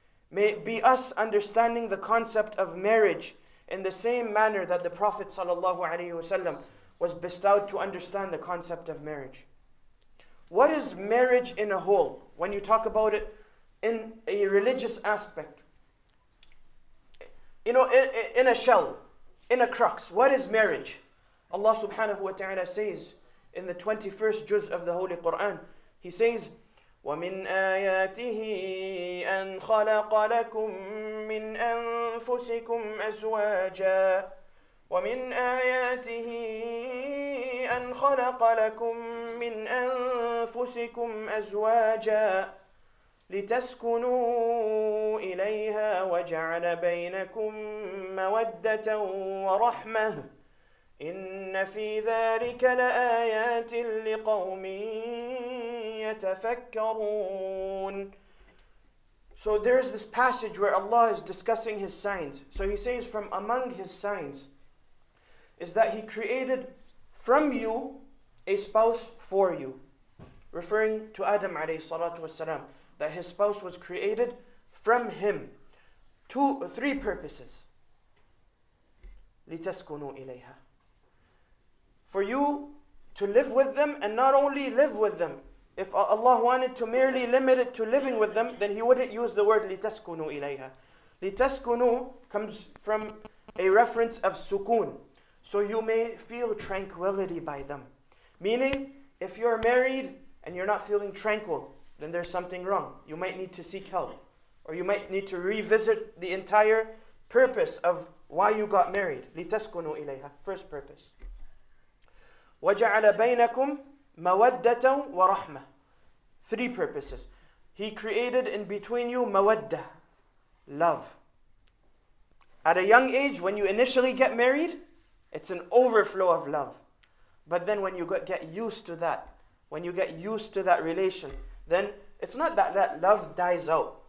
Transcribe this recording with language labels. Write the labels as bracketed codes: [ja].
[en] May it be us understanding the concept of marriage in the same manner that the Prophet ﷺ was bestowed to understand the concept of marriage. What is marriage in a whole? When you talk about it in a religious aspect, you know, in a shell, in a crux, what is marriage? Allah subhanahu wa ta'ala says in the 21st juz of the Holy Quran, He says, [ar] وَمِنْ آيَاتِهِ أَنْ خَلَقَ لَكُمْ مِنْ أَنفُسِكُمْ أَزْوَاجًا وَمِنْ آيَاتِهِ أَنْ خَلَقَ لَكُمْ مِنْ أَنفُسِكُمْ أَزْوَاجًا لِتَسْكُنُوا إِلَيْهَا وَجَعَلَ بَيْنَكُمْ مَوَدَّةً وَرَحْمَةً إِنَّ فِي ذَلِكَ لَآيَاتٍ لِقَوْمٍ يَتَفَكَّرُونَ [en] So there is this passage where Allah is discussing His signs. So He says from among His signs is that He created from you a spouse for you. Referring to Adam alayhi salatu wasalam, that his spouse was created from him. Three purposes. [ar] لِتَسْكُنُوا إِلَيْهَا [en] For you to live with them and not only live with them. If Allah wanted to merely limit it to living with them, then He wouldn't use the word [ar] لِتَسْكُنُوا إِلَيْهَا. [en] لِتَسْكُنُوا comes from a reference of sukoon. So you may feel tranquility by them. Meaning, if you're married and you're not feeling tranquil, then there's something wrong. You might need to seek help. Or you might need to revisit the entire purpose of why you got married. [ar] لِتَسْكُنُوا إِلَيْهَا. [en] First purpose. [ar] وَجَعَلَ بَيْنَكُمْ مَوَدَّةً وَرَحْمَةً [en] Three purposes. He created in between you مَوَدَّةً Love. At a young age, when you initially get married, it's an overflow of love. But then when you get used to that, when you get used to that relation, then it's not that that love dies out.